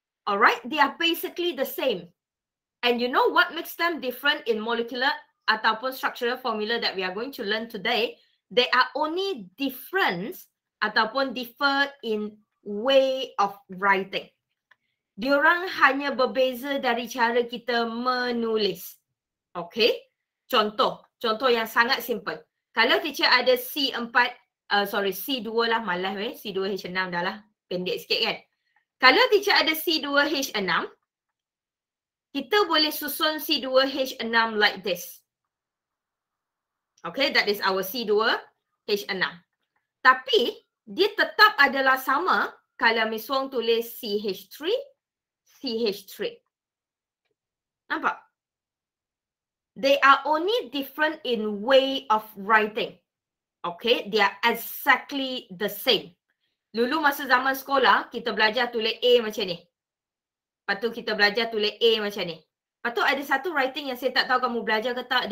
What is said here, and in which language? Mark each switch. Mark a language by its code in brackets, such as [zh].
[en] All right, they are basically the same. And you know what makes them different in molecular ataupun structural formula that we are going to learn today? They are only different ataupun differ in way of writing. [ms] Diorang hanya berbeza dari cara kita menulis. Okay? Contoh. Contoh yang sangat simple. Kalau teacher ada C2 lah, malah weh. C2H6 dah lah. Pendek sikit kan? Kalau teacher ada C2H6, kita boleh susun C2H6 like this. [en] Okay, that is our C2H6. [ms] Tapi, dia tetap adalah sama kalau Miss Wong tulis CH3, CH3. Nampak? [en] They are only different in way of writing. Okay, they are exactly the same. [ms] Dulu masa zaman sekolah, kita belajar tulis A macam ni. Lepas tu kita belajar tulis A macam ni. Lepas tu ada satu writing yang saya tak tahu kamu belajar ke tak.